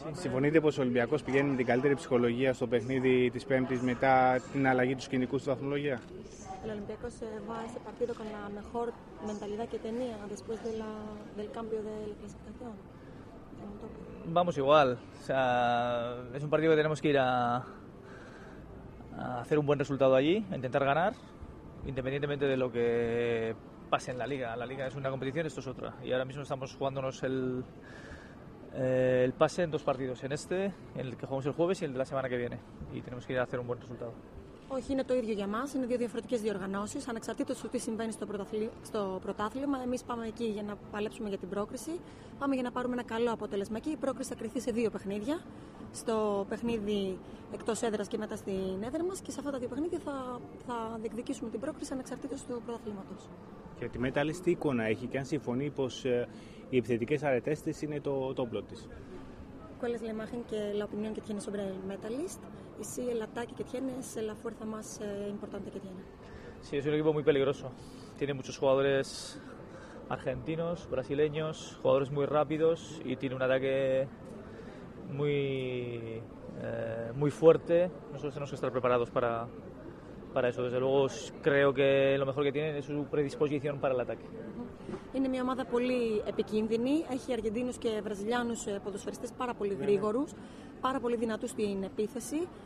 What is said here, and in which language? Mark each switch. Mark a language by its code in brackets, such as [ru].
[el] Συμφωνείτε πως ο Ολυμπιακός πηγαίνει με την καλύτερη ψυχολογία στο παιχνίδι της Πέμπτης μετά την αλλαγή του σκηνικού στη βαθμολογία? [es] El Olympiacos se va a ese partido con la mejor mentalidad que tenía después de la, del cambio de la clasificación. Vamos igual. O sea, es un partido que tenemos que ir a hacer un buen resultado allí, intentar ganar, independientemente de lo que pase en la liga. La liga es una competición, esto es otra. Y ahora mismo estamos jugándonos el pase en dos partidos, en este, en el que jugamos el jueves, y el de la semana que viene. Y tenemos que ir a hacer un buen resultado. [el] Όχι, είναι το ίδιο για μας. Είναι δύο διαφορετικές διοργανώσεις. Ανεξαρτήτως του τι συμβαίνει στο πρωτάθλημα, εμείς πάμε εκεί για να παλέψουμε για την πρόκριση. Πάμε για να πάρουμε ένα καλό αποτέλεσμα εκεί. Η πρόκριση θα κριθεί σε δύο παιχνίδια. Στο παιχνίδι εκτός έδρας και μετά στην έδρα μας. Και σε αυτά τα δύο παιχνίδια θα διεκδικήσουμε την πρόκριση ανεξαρτήτως του πρωταθλήματος. Και τη Μέταλλις τι εικόνα έχει και αν συμφωνεί πως οι επιθετικές αρετές της είναι το όπλο της? [es] ¿Cuál es la imagen que la opinión que tiene sobre el Metalist y si el ataque que tiene es la fuerza más importante que tiene? Sí, es un equipo muy peligroso. Tiene muchos jugadores argentinos, brasileños, jugadores muy rápidos y tiene un ataque muy, muy fuerte. Nosotros tenemos que estar preparados para eso. Desde luego creo que lo mejor que tienen es su predisposición para el ataque. [el] Είναι μια ομάδα πολύ επικίνδυνη. Έχει Αργεντίνους και Βραζιλιάνους ποδοσφαιριστές πάρα πολύ γρήγορους, πάρα πολύ δυνατούς στην επίθεση.